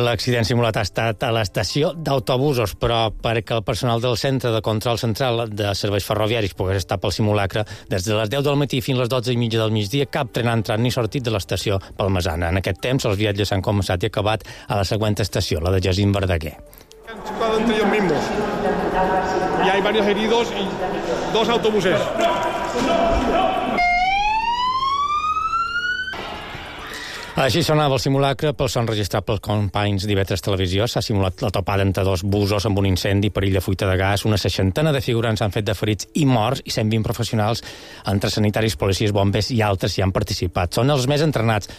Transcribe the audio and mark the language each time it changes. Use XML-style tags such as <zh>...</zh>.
<ca>L'accident simulat ha estat a l'estació d'autobusos, però perquè el personal del centre de control central de serveis ferroviaris pogués estar pel simulacre des de les 10 del matí fins a les 12 i mitja del migdia, cap tren ha entrat ni sortit de l'estació palmesana. En aquest temps, els viatges han començat i acabat a la següent estació, la de Jacint Verdaguer.</ca> <es>Han xocado entre ellos mismos. Y hay varios heridos y 2 autobuses.</es> <ca>Així sonava el simulacre, pel son registrat pels companys d'Ivetres Televisió. S'ha simulat la topada entre 2 busos amb un incendi, perill de fuita de gas. Una 60 de figurants han fet de ferits i morts i 120 professionals, entre sanitaris, policies, bombers i altres, hi han participat. Són els més entrenats.</ca>